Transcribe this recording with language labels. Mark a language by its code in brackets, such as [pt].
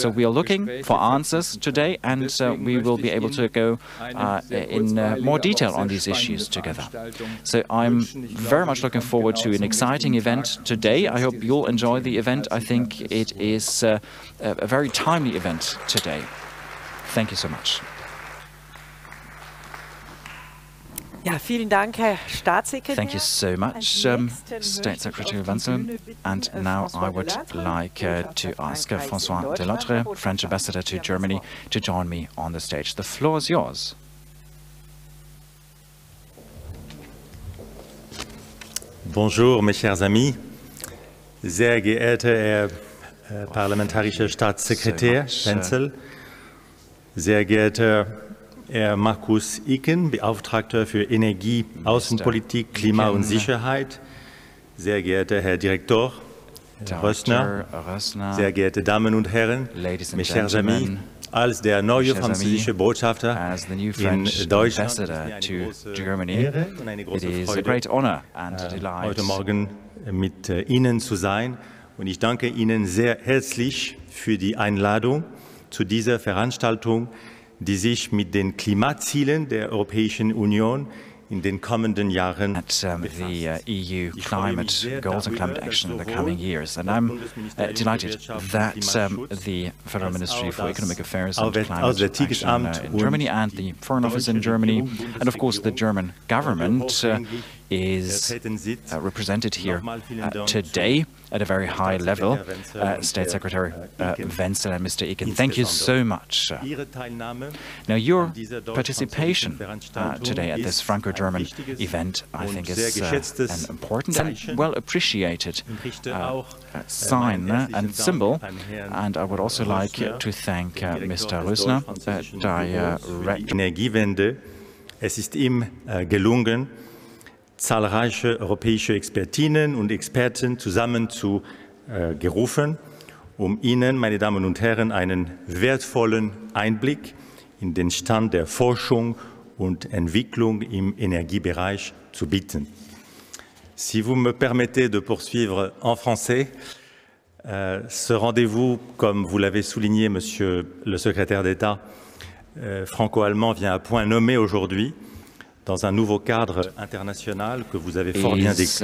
[en] So we are looking for answers today, and we will be able to go in more detail on these issues together. So I'm very much looking forward to an exciting event today. I hope you'll enjoy the event. I think it is a very timely event today. Thank you so much. [de] Ja, vielen Dank, Herr Staatssekretär. [en] Thank you so much, State Secretary Wenzel. And now I would like to ask François Delattre, French Ambassador to Germany, to join me on the stage. The floor is yours. [fr] Bonjour, mes chers amis. [de] Sehr geehrter Herr parlamentarischer Staatssekretär Wenzel. Sehr geehrter Herr Markus Icken, Beauftragter für Energie, Außenpolitik, Klima und Sicherheit. Sehr geehrter Herr Direktor Rössner. Sehr geehrte Damen und Herren, [fr] mes chers amis. [de] Als der neue französische Botschafter in Deutschland [en] to Germany, it is a great honor and a delight [de] heute Morgen mit Ihnen zu sein. Und ich danke Ihnen sehr herzlich für die Einladung zu dieser Veranstaltung, die sich mit den Klimazielen der Europäischen Union in den kommenden Jahren [en] at the EU climate goals and climate action in the coming years. And I'm delighted that the Federal Ministry for Economic Affairs and Climate Action in Germany and the Foreign Office in Germany, and of course the German government, is represented here today at a very high level. State Secretary Wenzel and Mr. Icken, thank you so much. Now, your participation today at this Franco-German event, I think, is an important and well-appreciated sign and symbol. And I would also like to thank Mr. Rössner, Director. [de] Es ist ihm gelungen, zahlreiche europäische Expertinnen und Experten zusammen zu gerufen, um Ihnen, meine Damen und Herren, einen wertvollen Einblick in den Stand der Forschung und Entwicklung im Energiebereich zu bieten. [fr] Si vous me permettez de poursuivre en français, ce rendez-vous, comme vous l'avez souligné, Monsieur le Secrétaire d'État, franco-allemand vient à point nommé aujourd'hui, dans un nouveau cadre international que vous avez fort bien décrit.